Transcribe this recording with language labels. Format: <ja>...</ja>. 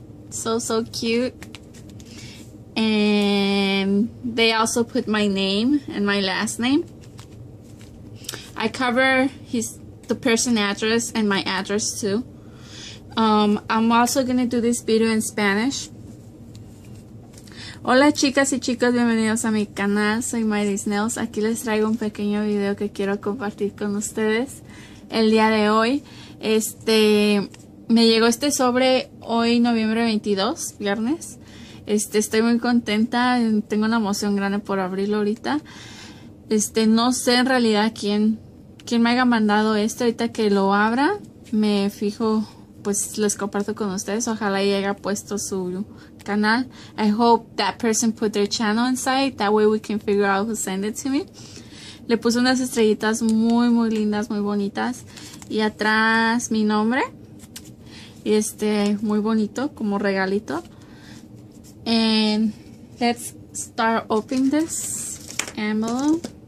<en>So, so cute. And they also put my name and my last name. I cover the person address and my address too. I'm also gonna do this video in Spanish.</en> <es>Hola chicas y chicos, bienvenidos a mi canal. Soy Mighty Snails. Aquí les traigo un pequeño video que quiero compartir con ustedes el día de hoy. Me llegó este sobre hoy, noviembre 22, viernes. Estoy muy contenta, tengo una emoción grande por abrirlo ahorita. No sé en realidad quién me haya mandado esto. Ahorita que lo abra, me fijo, pues les comparto con ustedes. Ojalá y haya puesto su canal.</es> <en>I hope that person put their channel inside, that way we can figure out who sent it to me.</en> <es>Le puse unas estrellitas muy, muy lindas, muy bonitas. Y atrás mi nombre. Y muy bonito, como regalito.</es> <en>And let's start opening this envelope.</en>